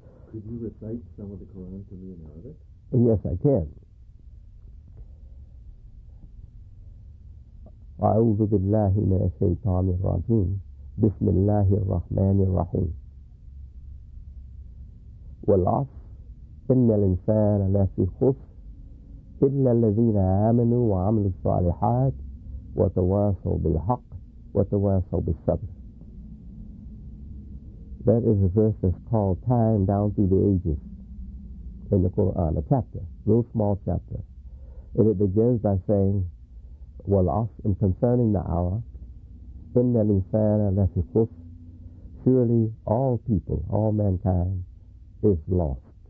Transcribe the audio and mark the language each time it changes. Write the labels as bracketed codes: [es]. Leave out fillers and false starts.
[en] Could you recite some of the Quran to me in Arabic? Yes, I can. [ar] أعوذ بالله من الشيطان الرجيم بسم الله الرحمن الرحيم والعصر إن الإنسان لفي خسر إلا الذين آمنوا وعملوا الصالحات وتواصوا بالحق وتواصوا بالصبر. [en] That is a verse that's called Time Down Through the Ages in the Quran, a chapter, a real small chapter. And it begins by saying, وَالْعَصْرِ in concerning the hour, [ar] إن الإنسان لفي خسر, [en] surely all people, all mankind, is lost.